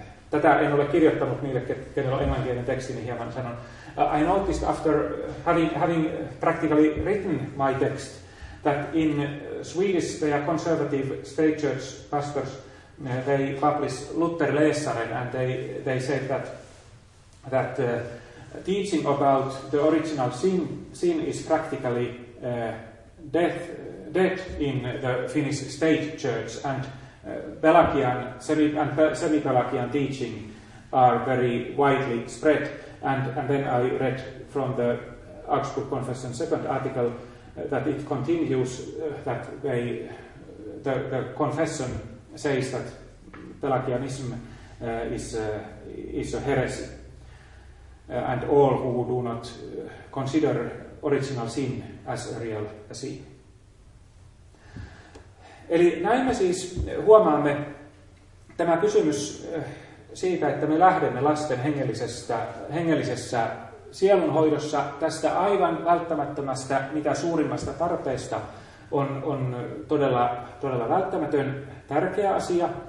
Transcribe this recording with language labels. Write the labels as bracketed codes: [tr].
[fi] Tätä en ole kirjoittanut niille, kenellä on englanninkielinen teksti, niin hieman sanon. [en] I noticed after having practically written my text that in Swedish they are conservative state church pastors. They published Luther Lesaren and they said that teaching about the original sin is practically dead in the Finnish state church and Pelagian and semi-Pelagian teaching are very widely spread. And then I read from the Augsburg Confession second article that it continues that the confession says that Pelagianism is a heresy and all who do not consider original sin as a real sin. [fi] Eli näin me siis huomaamme tämä kysymys siitä, että me lähdemme lasten hengellisessä sielunhoidossa tästä aivan välttämättömästä, mitä suurimmasta tarpeesta on todella, todella välttämätön tärkeä asia.